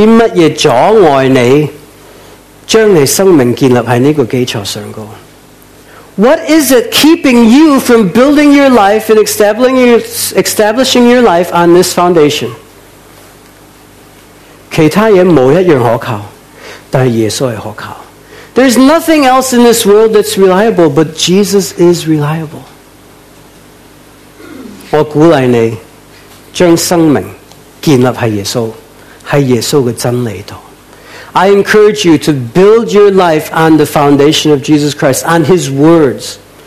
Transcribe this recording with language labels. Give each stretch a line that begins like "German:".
Chinese: 今天在你生命里面有些什么阻碍你, 将你生命建立在这个基础上高?
English: What is it keeping you from building your life and establishing your life on this foundation?
Chinese: 其他人没一样可靠,但是耶稣是可靠。
English: There's nothing else in this world that's reliable, but Jesus is reliable.
Chinese: 我鼓励你将生命建立在耶稣,在耶稣的真理里。
English: I encourage you to build your life on the foundation of Jesus Christ, on His words.